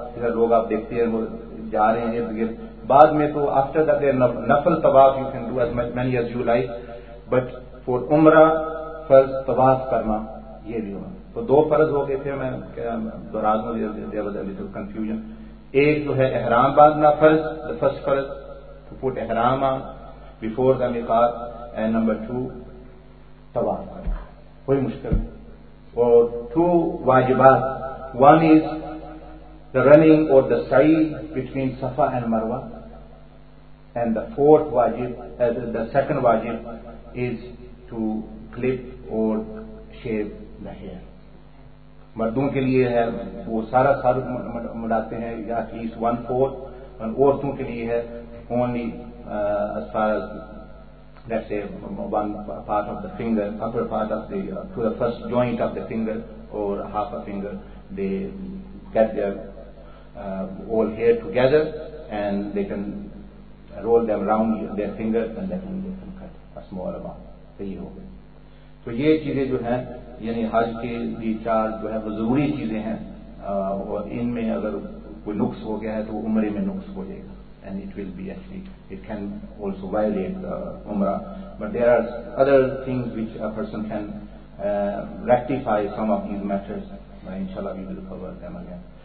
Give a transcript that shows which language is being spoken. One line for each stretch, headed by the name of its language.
Urdu: جیسے لوگ آپ دیکھتے ہیں وہ جا رہے ہیں ارد گرد, بعد میں تو آفٹر دیٹ نفل طواف you can do as much many as you like, but four عمرہ فرض طواف کرنا یہ بھی ہونا. تو دو فرض ہو گئے تھے, میں دراز کنفیوژن, ایک جو ہے احرام باندھنا فرض, دا فرسٹ فرض ٹو پٹ احرام آن before the میقات, and number two طواف کرنا, کوئی مشکل نہیں.
English: اور ٹو واجبات, one is the running اور دا سعی between Safa and Marwa, and the fourth واجب دا سیکنڈ واجب از ٹو کلپ اور شیو دا ہیئر. مردوں کے لیے ہے وہ سارا سر مڈاتے ہیں یا ایٹ لیسٹ ون فورتھ, عورتوں کے لیے ہے only as far as let's say one part of the finger, upper part of the to the first joint of the finger or half a finger, they get their all hair together and they can roll them round their fingers and let them get them cut a small amount.
Urdu: صحیح ہو گئے. تو یہ چیزیں جو ہیں یعنی حج کے لیے چار جو ہے وہ ضروری چیزیں ہیں, اور ان میں اگر کوئی نقص ہو گیا ہے تو عمرے میں نقص ہو جائے گا.
English: And it will be actually, it can also violate Umrah. But there are other things which a person can rectify some of these matters. Inshallah, we will cover them again.